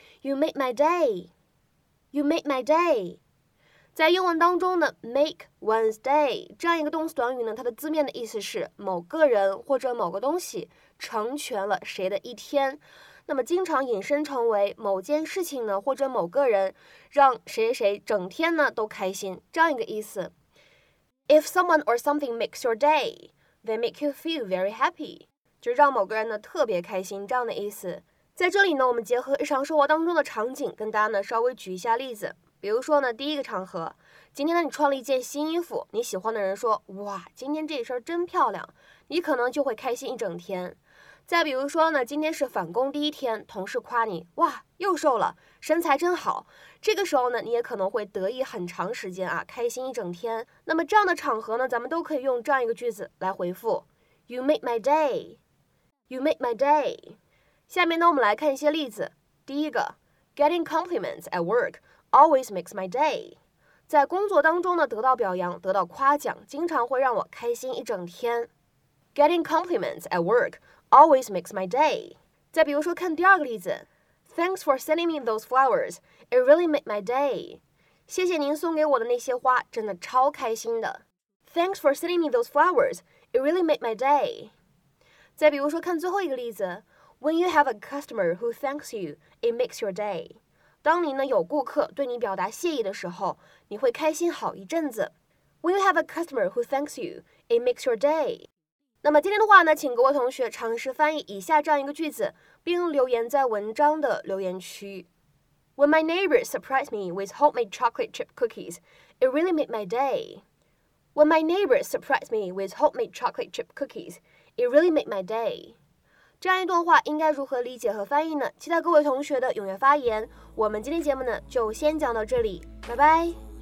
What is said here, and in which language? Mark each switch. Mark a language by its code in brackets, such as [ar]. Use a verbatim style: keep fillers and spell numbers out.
[en] You made my day. [zh] You made my day. 在英文当中呢 ，make one's day 这样一个动词短语呢，它的字面的意思是某个人或者某个东西成全了谁的一天。那么经常引申成为某件事情呢，或者某个人让谁谁谁整天呢都开心这样一个意思。 [en] If someone or something makes your day, they make you feel very happy. [zh] 就是让某个人呢特别开心这样的意思。在这里呢，我们结合日常生活当中的场景，跟大家呢稍微举一下例子。比如说呢，第一个场合，今天呢你穿了一件新衣服，你喜欢的人说，哇，今天这一身真漂亮，你可能就会开心一整天。再比如说呢，今天是返工第一天，同事夸你，哇，又瘦了，身材真好。这个时候呢，你也可能会得意很长时间啊，开心一整天。那么这样的场合呢，咱们都可以用这样一个句子来回复 ： [en] You made my day. You made my day. [zh] 下面呢，我们来看一些例子。第一个 [en] ，Getting compliments at work always makes my day. [zh] 在工作当中呢，得到表扬、得到夸奖，经常会让我开心一整天。 [en] Getting compliments at work always makes my day. [zh] 再比如说，看第二个例子 [en] ，Thanks for sending me those flowers. It really made my day. [zh] 谢谢您送给我的那些花，真的超开心的。 [en] Thanks for sending me those flowers. It really made my day. [zh] 再比如说，看最后一个例子 [en] ，When you have a customer who thanks you, it makes your day. [zh] 当你呢有顾客对你表达谢意的时候，你会开心好一阵子。 [en] When you have a customer who thanks you, it makes your day. [zh] 那么今天的话呢，请各位同学尝试翻译以下这样一个句子，并留言在文章的留言区。 [en] When my neighbor surprised me with homemade chocolate chip cookies, it really made my day. When my neighbor surprised me with homemade chocolate chip cookies. It really made my day. [zh] 这样一段话应该如何理解和翻译呢？期待各位同学的踊跃发言。我们今天节目呢就先讲到这里，拜拜。